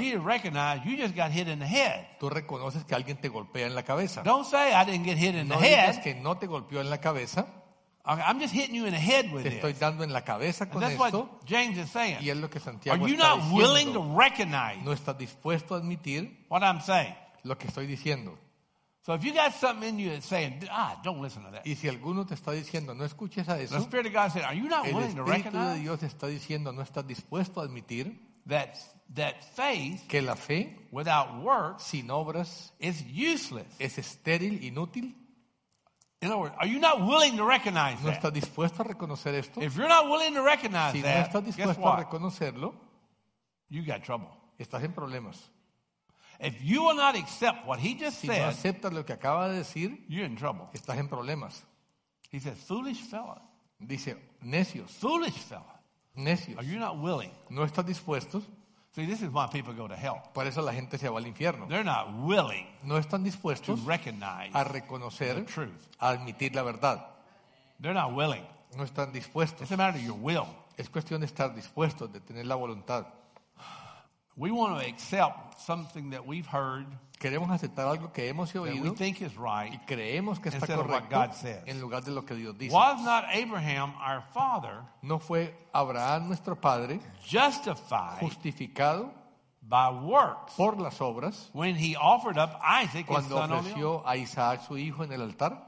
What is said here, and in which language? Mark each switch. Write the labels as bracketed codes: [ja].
[en] You recognize you just got hit in the head. [es] Tú reconoces que alguien te golpea en la cabeza. [en] Don't say I didn't get hit in [es] no [en] the head. [es] No digas que no te golpeó en la cabeza. [en] Okay, I'm just hitting you in the head with this. [es] Te estoy dando en la cabeza con [en] that's [es] esto. [en] That's what James is saying. [es] Y es lo que Santiago [en] Are you [es] está [en] not [es] diciendo. [en] Willing to recognize? [es] No estás dispuesto a admitir. [en] What I'm saying. [es] Lo que estoy diciendo. [en] So if you got something in you that's saying, ah, don't listen to that. [es] Y si alguno te está diciendo, no escuches a eso. [en] The Spirit of God said, are you not willing to recognize? [es] El Espíritu de Dios está diciendo, no estás dispuesto a admitir [en] that faith, [es] que la fe, [en] without works, [es] sin obras, [en] is useless. [es] Es estéril, inútil. [en] In other words, are you not willing to recognize [es] No estás dispuesto a reconocer esto. [en] If you're not willing to recognize [es] si [en] that, [es] no estás dispuesto [en] guess [es] a reconocerlo, [en] what? You got trouble. [es] Estás en problemas. [en] If you will not accept what he just [es] si [en] said, [es] no aceptas lo que acaba de decir, [en] you're in trouble. [es] Estás en problemas. [en] He says, foolish fella. [es] Dice, necios. [en] Foolish fella. [es] Necios. [en] Are you not willing? [es] No estás dispuestos. [en] See, this is why people go to hell. [es] Por eso la gente se va al infierno. [en] They're not willing. [es] No están dispuestos. [en] To recognize. [es] A reconocer. [en] The truth. [es] A admitir la verdad. [en] They're not willing. [es] No están dispuestos. [en] It's a matter of your will. [es] Es cuestión de estar dispuestos, de tener la voluntad. [en] We want to accept something that we've heard. [es] Queremos aceptar algo que hemos oído. [en] That we think is right. [es] Y creemos que está [en] instead [es] correcto, [en] of what God says. [es] En lugar de lo que Dios dice. [en] Was not Abraham our father? [es] No fue Abraham nuestro padre. [en] Justified. [es] Justificado. [en] By works. [es] Por las obras. [en] When he offered up Isaac, his son on the [es] altar. Cuando ofreció a Isaac su hijo en el altar.